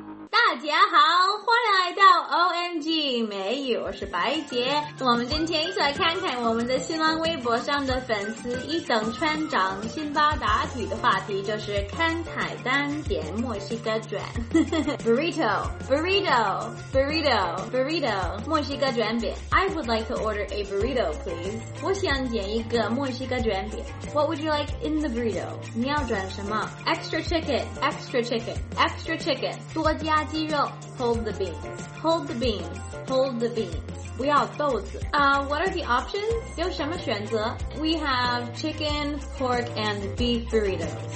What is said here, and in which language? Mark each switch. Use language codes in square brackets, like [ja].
[zh] 大家好，欢迎来到 OMG 美语，我是白洁。我们今天一起来看看我们的新浪微博上的粉丝一等船长辛巴打底的话题，就是看菜单点墨西哥卷burrito 墨西哥卷饼。 [en] I would like to order a burrito please. [zh] 我想点一个墨西哥卷饼。 [en] What would you like in the burrito? [zh] 你要卷什么？ [en] Extra chicken [zh] 多加鸡。 [en] Hold the beans. [zh] 不要豆子。 [en] What are the options? [zh] 有什么选择？ [en] We have chicken, pork, and beef burritos.